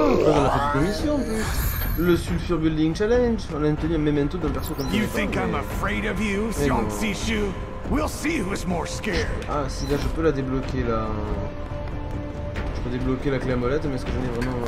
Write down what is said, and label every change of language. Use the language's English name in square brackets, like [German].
[French] On a fait une mission, le Sulfur Building Challenge. On a obtenu un memento d'un perso comme ça. [English] You think I'm afraid of you, Xiong Zishu? We'll see who's more scared. [French] Ah, si là je peux la débloquer là. Je peux débloquer la clé à molette, mais est-ce que j'en ai vraiment.